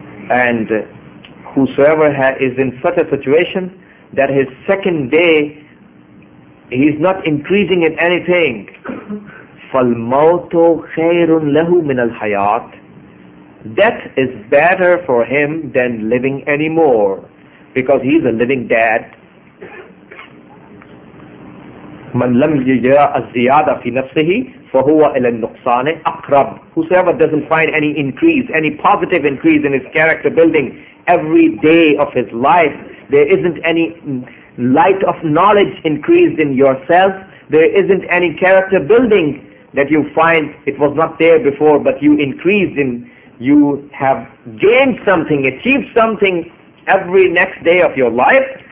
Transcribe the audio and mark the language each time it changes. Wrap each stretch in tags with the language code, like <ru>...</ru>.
<en>And whosoever is in such a situation that his second day, he's not increasing in anything.</en> <ar>فَالْمَوْتُ خَيْرٌ لَهُ مِنَ الْحَيَاةِ.</ar> <en>Death is better for him than living anymore, because he's a living dead.</en> <ar>من لم يجر الزيادة في نفسه فهو إلى النقصان أقرب.</ar> <en>Whosoever doesn't find any increase, any positive increase in his character building every day of his life, there isn't any light of knowledge increased in yourself, there isn't any character building that you find, it was not there before, but you increased in, you have gained something, achieved something every next day of your life.</en>